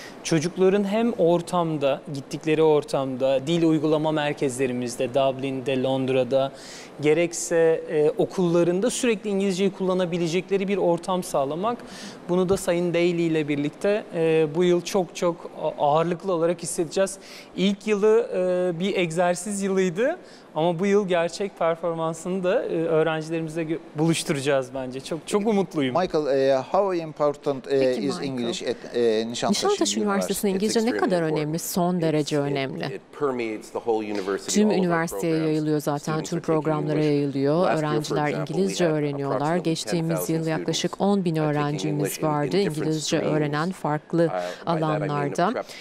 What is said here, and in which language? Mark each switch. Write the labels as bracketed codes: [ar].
[tr] Çocukların hem ortamda, gittikleri ortamda, dil uygulama merkezlerimizde, Dublin'de, Londra'da, gerekse okullarında sürekli İngilizceyi kullanabilecekleri bir ortam sağlamak, bunu da Sayın Daly ile birlikte bu yıl çok çok ağırlıklı olarak hissedeceğiz. İlk yılı bir egzersiz yılıydı ama bu yıl gerçek performansını da öğrencilerimize buluşturacağız bence. Çok çok umutluyum. [en] Michael, how important is English at Nişantaşı [tr] Üniversitesi'nin İngilizce ne kadar önemli? Son derece önemli. Tüm üniversiteye yayılıyor zaten, tüm programlara yayılıyor. Öğrenciler İngilizce öğreniyorlar. Geçtiğimiz yıl yaklaşık 10 bin öğrencimiz vardı İngilizce öğrenen farklı alanlarda.